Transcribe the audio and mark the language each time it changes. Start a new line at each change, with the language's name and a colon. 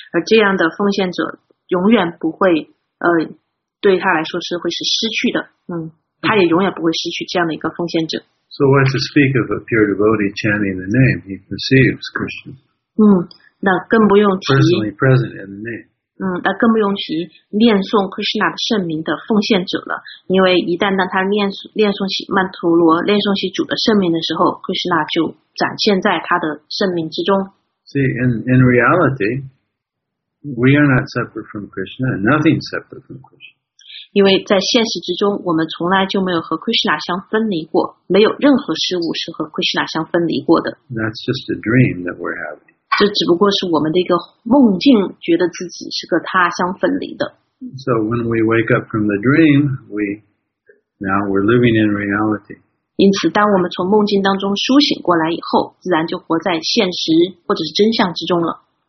Chinese: 而这样的奉献者永远不会对他来说是会是失去的，他也永远不会失去这样的一个奉献者。
English: So when to speak of a pure devotee chanting the name, he perceives Krishna.
Chinese: 那更不用提。
English: Personally present in the name.
Chinese: 那更不用提念诵 Krishna 的圣名的奉献者了，因为一旦当他念诵起曼陀罗，念诵起主的圣名的时候， Krishna 就展现在他的圣名之中。
English: See, in reality, we are not separate from Krishna, nothing separate from Krishna.
Chinese: 因为在现实之中，我们从来就没有和 Krishna 相分离过，没有任何事物是和 Krishna 相分离过的。
English: That's just a dream that we're having.
Chinese: 这只不过是我们的一个梦境，觉得自己是和他相分离的。
English: So when we wake up from the dream, we're living in reality.
Chinese: 因此，当我们从梦境当中苏醒过来以后，自然就活在现实或者是真相之中了。